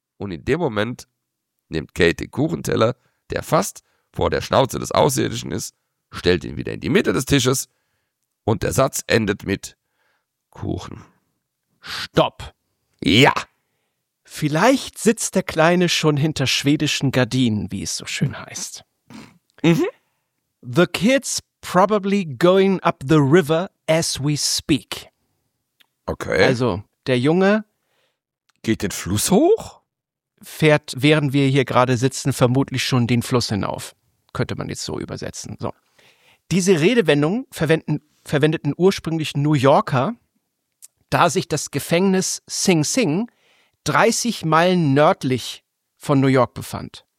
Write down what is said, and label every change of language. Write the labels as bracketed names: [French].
[German] Und in dem Moment nimmt Kate den Kuchenteller, der fast vor der Schnauze des Außerirdischen ist, stellt ihn wieder in die Mitte des Tisches und der Satz endet mit Kuchen. Stopp! Ja! Vielleicht sitzt der Kleine schon hinter schwedischen Gardinen, wie es so schön heißt. Mhm. [English] The kid's probably going up the river as we speak. [German] Okay. Also, der Junge geht den Fluss hoch? Fährt, während wir hier gerade sitzen, vermutlich schon den Fluss hinauf. Könnte man jetzt so übersetzen. So. Diese Redewendung verwendeten ursprünglich New Yorker, da sich das Gefängnis Sing Sing 30 Meilen nördlich von New York befand.